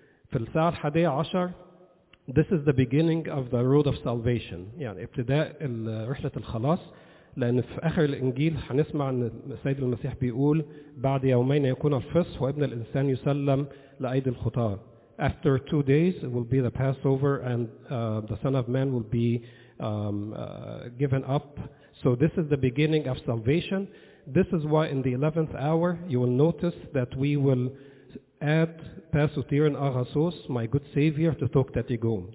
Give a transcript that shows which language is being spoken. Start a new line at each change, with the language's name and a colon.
Arabic: في الساعة الحادية عشر,
English: this is the beginning of the road of salvation.
Arabic: يعني ابتداء رحلة الخلاص. لأن في آخر الإنجيل حنسمع أن السيد المسيح بيقول بعد يومين يكون الفصح وابن الإنسان يسلم لأيدي الخطاة.
English: After 2 days will be the Passover and the Son of Man will be given up. So this is the beginning of salvation. This is why in the 11th hour you will notice that we will add Pasutir and Agasos, my good Savior, to Tok Tetigom.